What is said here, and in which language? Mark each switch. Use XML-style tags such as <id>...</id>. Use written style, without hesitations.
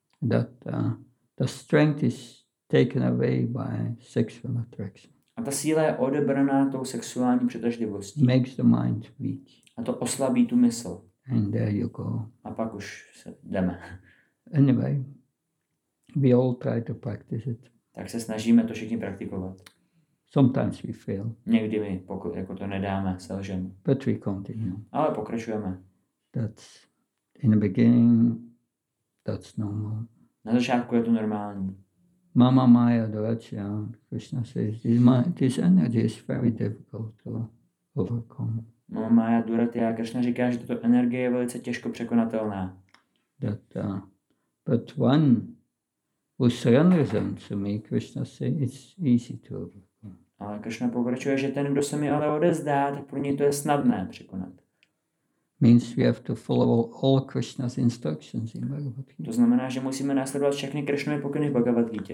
<en>That the strength is taken away by sexual attraction.</en> <cs>A ta síla je odebraná tou sexuální přitažlivostí.</cs> <en>Makes the mind weak.</en> <cs>A to oslabí tu mysl.</cs> <en>And there you go.</en> <cs>A pak už se jdeme.</cs> <en>Anyway, we all try to practice it.</en> <cs>Tak se snažíme to všichni praktikovat.</cs> <en>Sometimes we fail.</en> <cs>Někdy my, pokud jako to nedáme, selžeme.</cs> <en>But we continue.</en> <cs>Ale pokračujeme.</cs> <en>That's in the beginning, that's normal.</en> <cs>Na začátku je to normální.</cs> <sa>Mama Maya Doracha,</sa> <en>Krishna says, this energy is very difficult to overcome.</en> <sa>Mama Maya Doracha,</sa> <cs>Krishna říká, že tato energie je velice těžko překonatelná.</cs> <en>But one who surrenders unto me, Krishna says, it's easy to overcome.</en> <cs>Ale Krishna pokračuje, že ten, kdo se mi ale odezdá, tak pro něj to je snadné překonat.</cs> <en>Means we have to follow all Krishna's instructions in Bhagavad Gita.</en> <cs>To znamená, že musíme následovat všechny Krishnovy pokyny v Bhagavad Gita.</cs>